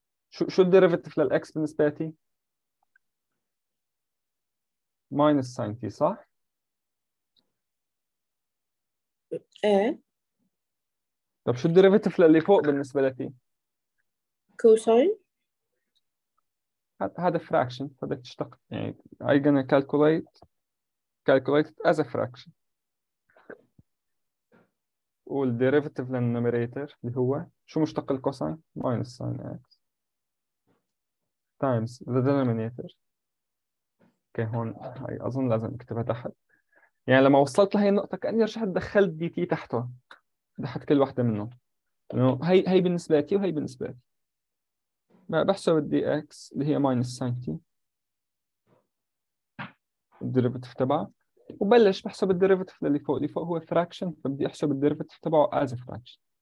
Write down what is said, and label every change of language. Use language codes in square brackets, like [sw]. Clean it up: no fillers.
[ar] شو الديريفيتيف للاكس بالنسبه لتي؟ ماينس ساين تي صح؟ ايه طب شو الديريفيتيف للي فوق بالنسبه لتي؟ كوساين [en] هذا فراكشن، فبدك تشتق يعني I gonna calculate it as a fraction. وال derivative لل numerator اللي هو شو مشتق الكوساين؟ minus sin x times the denominator. [ar] اوكي هون هاي اظن لازم اكتبها تحت، يعني لما وصلت لهي النقطة كأني رجعت دخلت دي تي تحتها، تحت كل واحدة منهم، انه هي بالنسبة لي وهي بالنسبة لي. بحسب ال dx اللي هي ماينس ساين تي الديريفيتيف تبعه، وبلش بحسب الديريفيتيف للي فوق، اللي فوق هو فراكشن، فبدي احسب الديريفيتيف تبعه از فراكشن.